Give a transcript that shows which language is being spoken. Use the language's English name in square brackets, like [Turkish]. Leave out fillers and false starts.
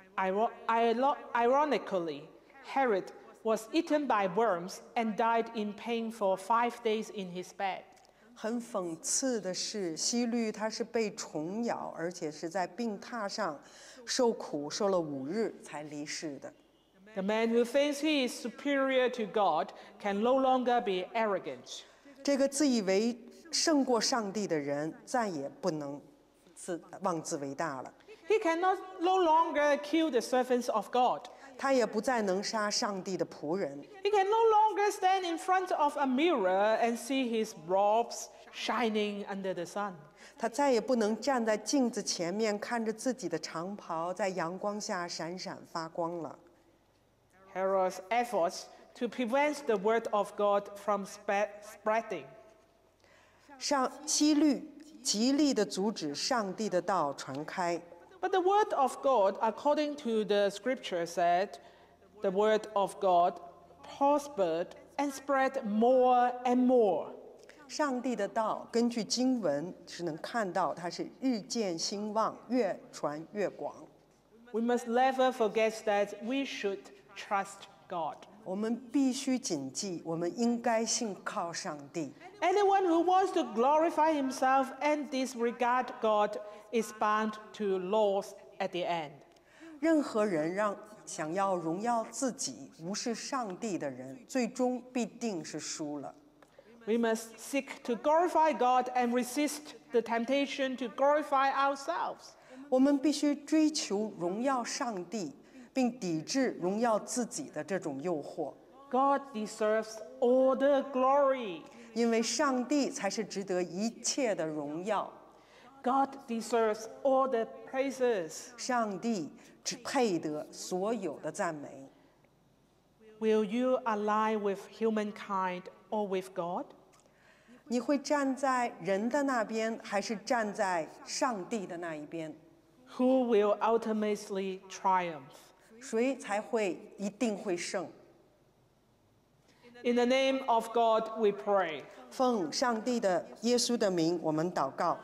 [English] Ironically, Herod was eaten by worms and died in pain for 5 days in his bed. [Chinese] 很讽刺的是，希律他是被虫咬，而且是在病榻上受苦，受了5日才离世的。 [English] The man who thinks he is superior to God can no longer be arrogant. [Chinese] 这个自以为胜过上帝的人再也不能妄自伟大了。 [English] He cannot no longer kill the servants of God. [Chinese] 他也不再能杀上帝的仆人。 [English] He can no longer stand in front of a mirror and see his robes shining under the sun. [Chinese] 他再也不能站在镜子前面看着自己的长袍在阳光下闪闪发光了。 [English] Herod's efforts to prevent the word of God from spreading. [Chinese] 上希律极力地阻止上帝的道传开。 [English] But the word of God, according to the scripture, said, the word of God prospered and spread more and more. [Chinese] 上帝的道根据经文是能看到它是日渐兴旺，越传越广。 [English] We must never forget that we should. Trust God. [Chinese] 我们必须谨记，我们应该信靠上帝。 [English] Anyone who wants to glorify himself and disregard God is bound to loss at the end. [Chinese] 任何人想要荣耀自己、无视上帝的人，最终必定是输了。 [English] We must seek to glorify God and resist the temptation to glorify ourselves. [Chinese] 我们必须追求荣耀上帝，并抵制荣耀自己的这种诱惑。 [English] God deserves all the glory. [Chinese] 因为上帝才是值得一切的荣耀。 [English] God deserves all the praises. [Chinese] 上帝只配得所有的赞美。 [English] Will you ally with humankind or with God? [Chinese] 你会站在人的那边，还是站在上帝的那一边？ [English] Who will ultimately triumph? [Chinese] 谁才会一定会胜？ [English] In the name of God, we pray. [Chinese] 奉上帝的耶稣的名，我们祷告。